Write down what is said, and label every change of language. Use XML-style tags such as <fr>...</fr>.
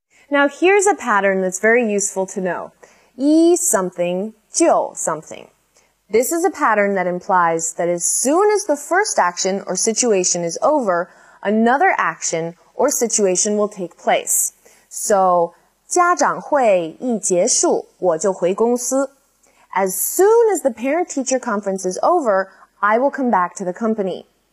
<en>Now here's a pattern that's very useful to know. 一something就something. This is a pattern that implies that as soon as the first action or situation is over, another action or situation will take place.</en> <zh>So, 家长会一结束,我就回公司。</zh> <en>As soon as the parent-teacher conference is over, I will come back to the company.</en>